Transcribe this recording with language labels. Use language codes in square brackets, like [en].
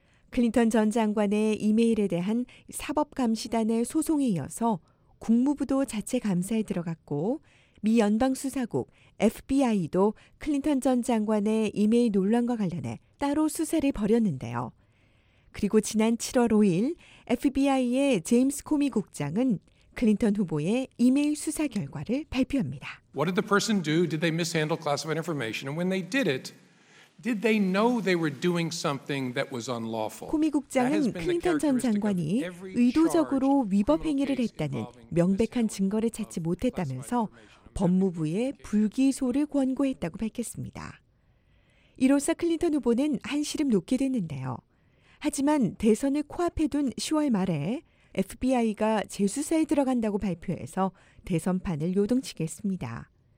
[ko] 클린턴 전 장관의 이메일에 대한 사법감시단의 소송에 이어서 국무부도 자체 감사에 들어갔고 미 연방수사국 FBI도 클린턴 전 장관의 이메일 논란과 관련해 따로 수사를 벌였는데요. 그리고 지난 7월 5일 FBI의 제임스 코미 국장은 클린턴 후보의 이메일 수사 결과를 발표합니다. [en] What did the person do? Did they mishandle classified information? And when they did it, did they know they were doing something that was unlawful? [ko] 코미 국장은 클린턴 전 장관이 의도적으로 위법 행위를 했다는 명백한 증거를 찾지 못했다면서 법무부에 불기소를 권고했다고 밝혔습니다. 이로써 클린턴 후보는 한시름 놓게 됐는데요. 하지만 대선을 코앞에 둔 10월 말에 FBI가 재수사에 들어간다고 발표해서 대선판을 요동치게 했습니다.